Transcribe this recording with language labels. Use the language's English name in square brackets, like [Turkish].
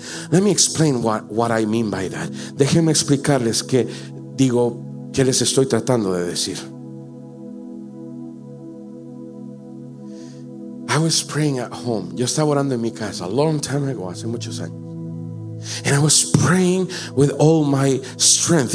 [English] Let me explain what I mean by that. [Spanish] Déjenme explicarles qué digo, qué les estoy tratando de decir. [English] I was praying at home. [Spanish] Yo estaba orando en mi casa [English] a long time ago, [Spanish] hace muchos años. [English] And I was praying with all my strength.